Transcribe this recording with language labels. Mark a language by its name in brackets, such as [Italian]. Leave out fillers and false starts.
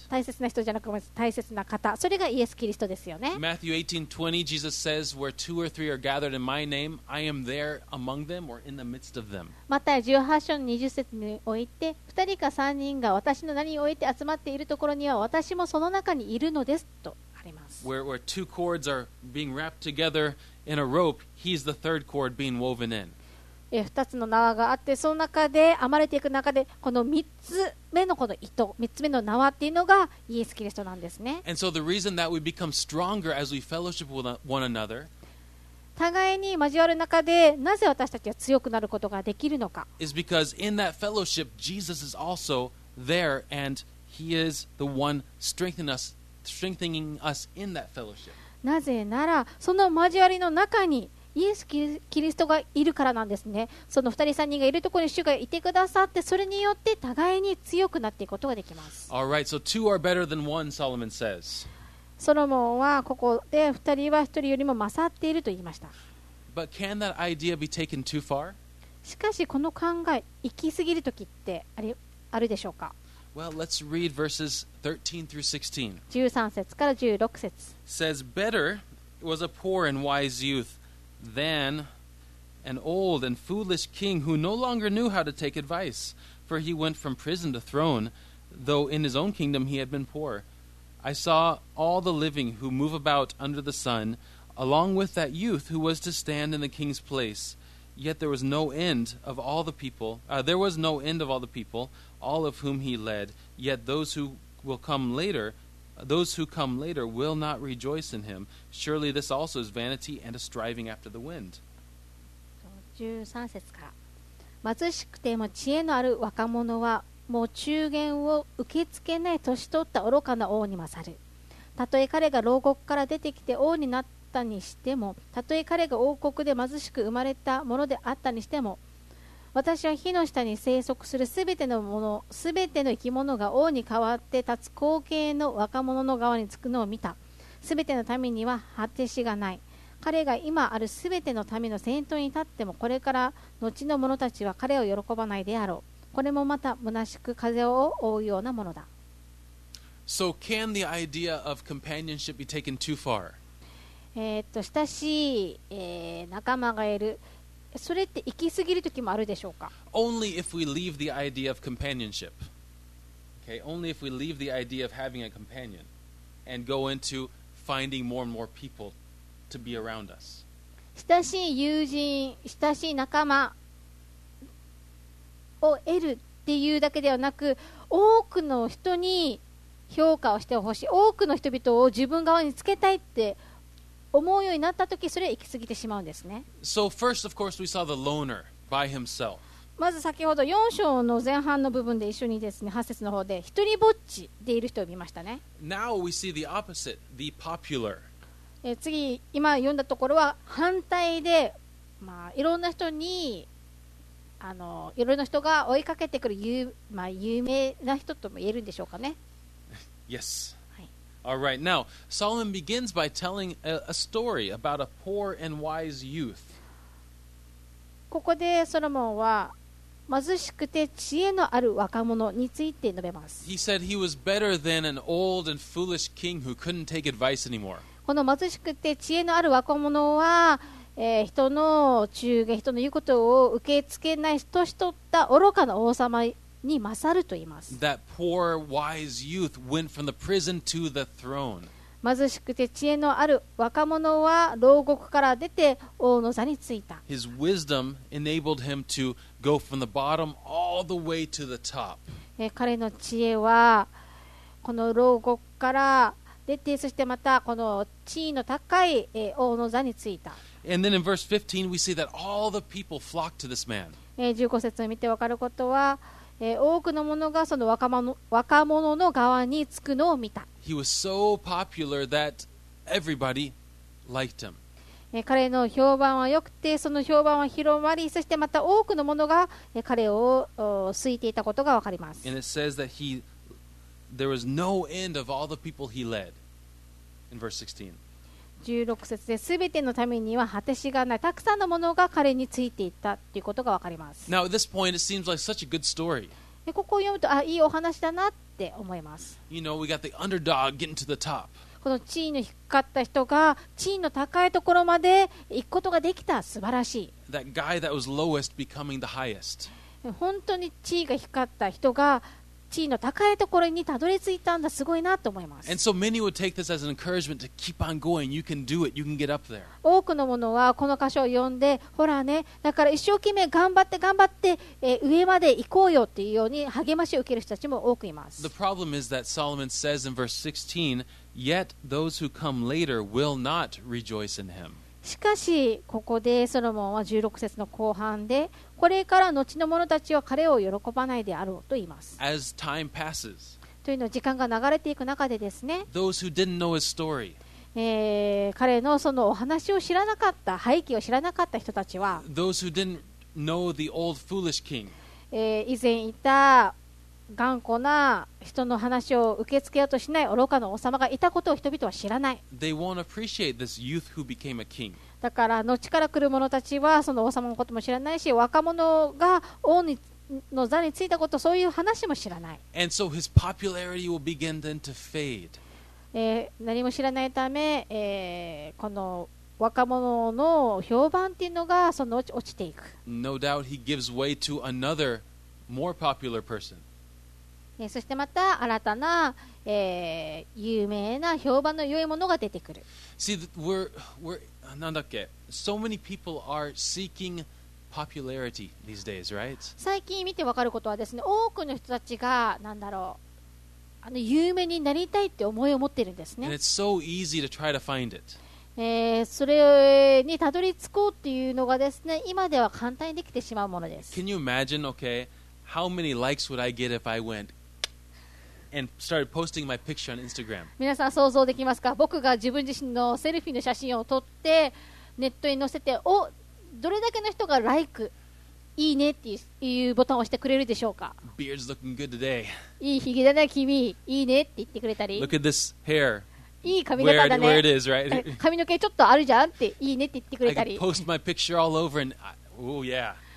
[Japanese] 大切な人じゃなくて大切な方、それがイエス・キリストですよね。 [English] Matthew 18:20, Jesus says, "Where two or three are gathered in my name, I am there among them or in the midst of them." [Japanese] マタイ18章20節において、2人か3人が私の名において集まっているところには私もその中にいるのですとあります。 [English] Where two cords are being wrapped together in a rope, he's the third cord being woven in. [Japanese] 2つの縄があって、その中で編まれていく中で、この3つ目のこの糸、3つ目の縄っていうのがイエス・キリストなんですね。 [English] And so the reason that we become stronger as we fellowship with one another, [Japanese] 互いに交わる中で、なぜ私たちは強くなることができるのか、 [English] is because in that fellowship, Jesus is also there, and he is the one strengthening us in that fellowship. [Japanese] なぜなら、その交わりの中に、イエス・キリストがいるからなんですね。その2人3人がいるところに主がいてくださって、それによって互いに強くなっていくことができます。 [English] All right, so two are better than one, Solomon says. [Japanese] ソロモンはここで2人は1人よりも勝っていると言いました。 [English] But can that idea be taken too far? [Japanese] しかしこの考え行き過ぎるときってあるでしょうか。 [English] Well, let's read verses 13 through 16. [Japanese] 13節から16節 [English] says, "Better was a poor and wise youthThen an old and foolish king who no longer knew how to take advice, for he went from prison to throne, though in his own kingdom he had been poor. I saw all the living who move about under the sun, along with that youth who was to stand in the king's place. Yet there was no end of all the people, all of whom he led. Yet those who will come later, those who come later will not rejoice in him. Surely this also is vanity and a striving after the wind." [Japanese] 13節から、貧しくても知恵のある若者はもう忠言を受け付けない年取った愚かな王に勝る。たとえ彼が牢獄から出てきて王になったにしても、たとえ彼が王国で貧しく生まれたものであったにしても、私は火の下に生息するすべてのもの、すべての生き物が王に代わって立つ後継の若者の側につくのを見た。すべての民には果てしがない。彼が今あるすべての民の先頭に立っても、これから後の者たちは彼を喜ばないであろう。これもまた虚しく風を覆うようなものだ。 [English] So can the idea of companionship be taken too far? [Japanese] 親しい、仲間がいる、それって行き過ぎる時もあるでしょうか。 [English] Only if we leave the idea of companionship. Okay, only if we leave the idea of having a companion and go into finding more and more people to be around us. [Japanese] 親しい友人、親しい仲間を得るっていうだけではなく、多くの人に評価をしてほしい、多くの人々を自分側につけたいって思うようになったとき、それは行き過ぎてしまうんですね。 [English] So first, of course, we saw the loner by himself. [Japanese] まず先ほど4章の前半の部分で一緒にですね、8節の方で一人ぼっちでいる人を見ましたね。 [English] Now we see the opposite, the popular. [Japanese] 次今読んだところは反対で、まあ、いろんな人にあのいろんな人が追いかけてくる 有名な人とも言えるんでしょうかね。 [English] Yes、 [Japanese] はい、 [English] All right. Now Solomon begins by telling a story about a poor and wise youth. [Japanese] ここでソロモンは貧しくて知恵のある若者について述べます。 [English] He said he was better than an old and foolish king who couldn't take advice anymore. [Japanese] この貧しくて知恵のある若者は人の忠言、人の言うことを受け付けない人しとった愚かな王様に勝ると言います。 [English] That poor wise youth went from the prison to the throne. [Japanese] 貧しくて知恵のある若者は牢獄から出て王の座に着いた。 [English] His wisdom enabled him to go from the bottom all the way to the top. [Japanese] 彼の知恵はこの牢獄から出て、そしてまたこの地位の高い王の座に着いた。 [English] And then in verse 15, we see that all the people flocked to this man. [Japanese] 15節を見て分かることは、多くの者がその若者の側につくのを見た。 [English] He was so popular that everybody liked him. [Japanese] 彼の評判は良くて、その評判は広まり、そしてまた多くの者が彼を好いていたことが分かります。 [English] And it says that there was no end of all the people he led. In verse 16. [Japanese] 16節で、すべての民には果てしがない、たくさんのものが彼についていったということがわかります。 [English] Now, at this point, it seems like such a good story. [Japanese] ここを読むと、あ、いいお話だなって思います。 [English] You know, we got the underdog getting to the top. [Japanese] この地位の低かった人が地位の高いところまで行くことができた、素晴らしい。 [English] That guy that was lowest becoming the highest. [Japanese] 本当に地位が低かった人が地位の高いところにたどり着いたんだ、すごいなと思います。 [English] And so many would take this as an encouragement to keep on going. You can do it. You can get up there. [Japanese] 多くの者はこの箇所を読んで、ほらね、だから一生懸命頑張って頑張って、上まで行こうよっていうように励ましを受ける人たちも多くいます。 [English] The problem is that Solomon says in verse 16, yet those who come later will not rejoice in him. [Japanese] しかし、ここでソロモンは16節の後半で、これから後の者たちは彼を喜ばないであろうと言います。 [English] As time passes, [Japanese] というのは時間が流れていく中でですね、 [English] those who didn't know his story, [Japanese] 彼のそのお話を知らなかった、背景を知らなかった人たちは、 [English] those who didn't know the old foolish king, [Japanese] 以前いた頑固な人の話を受け付けようとしない愚かな王様がいたことを人々は知らない。 [English] They won't appreciate this youth who became a king. [Japanese] だから後から来る者たちはその王様のことも知らないし、若者が王の座についたこと、そういう話も知らない。 [English] And so his popularity will begin then to fade. [Japanese] 何も知らないため、この若者の評判っていうのがその落ちていく。 [English] No doubt he gives way to another more popular person. [Japanese] そしてまた新たな、有名な評判の良いものが出てくる。 [English] See, we're... [Japanese] なんだっけ? [English] So many people are seeking popularity these days, right? [Japanese] 最近見てわかることはですね、多くの人たちが、なんだろう、あの有名になりたいって思いを持ってるんですね。 [English] And it's so easy to try to find it. [Japanese] それにたどり着こうっていうのがですね、今では簡単にできてしまうものです。 [English] Can you imagine, okay, how many likes would I get if I went? And started posting my picture on Instagram. [Japanese] 皆さん想像できますか？僕が自分自身のセルフィーの写真を撮ってネットに載せて、お、どれだけの人がライク、いいねっていうボタンを押してくれるでしょうか？ [English] Beard's looking good today. [Japanese] いいひげだね君、いいねって言ってくれたり。 [English] Look at this hair. [Japanese] いい髪型だね。 [English] Where it is, right? [Japanese] 髪の毛ちょっとあるじゃんっていいねって言ってくれたり。 [English] I could post my picture all over and, oh yeah.